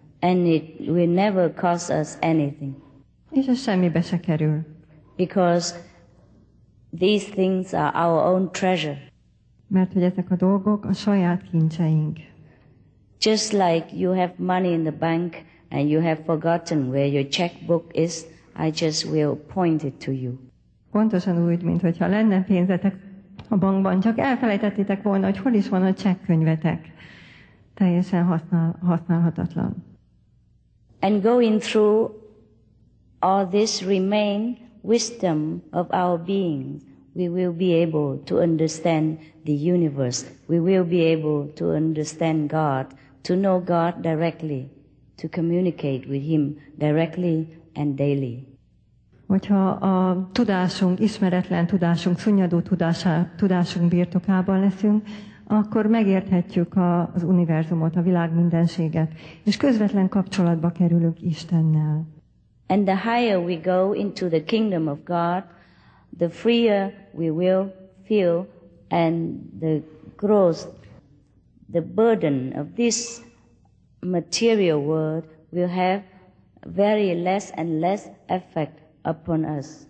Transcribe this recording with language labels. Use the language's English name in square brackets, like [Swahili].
[English] And it will never cost us anything. [Hungarian] És ez semmibe se kerül. [English] Because these things are our own treasure. [Hungarian] Mert hogy ezek a dolgok a saját kincseink. [English] Just like you have money in the bank and you have forgotten where your checkbook is, I just will point it to you. [Hungarian] Pontosan úgy, mint hogyha lenne pénzetek a bankban, csak elfelejtettétek volna, hogy hol is van a csekkönyvetek. Teljesen használhatatlan. [English] And going through all this remain wisdom of our being, we will be able to understand the universe. We will be able to understand God, to know God directly, to communicate with Him directly and daily. [Hungarian] Hogyha a tudásunk, ismeretlen tudásunk, szunnyadó tudásunk birtokában leszünk, akkor megérthetjük az univerzumot, a világ mindenséget, és közvetlen kapcsolatba kerülünk Istennel. [English] And the higher we go into the kingdom of God, the freer we will feel, and the gross, the burden of this material world will have very less and less effect upon us.